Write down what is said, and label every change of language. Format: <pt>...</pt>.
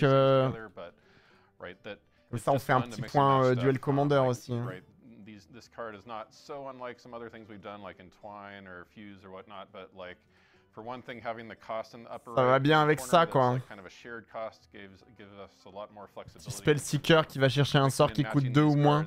<fr>Comme ça on fait un petit point Duel Commander aussi. Hein.</fr> <en>This card is not so unlike some other things we've done like Entwine or Fuse or whatnot, but like...</en> <fr>Ça va bien avec ça, quoi. Petit spell seeker qui va chercher un sort qui coûte 2 ou moins.</fr>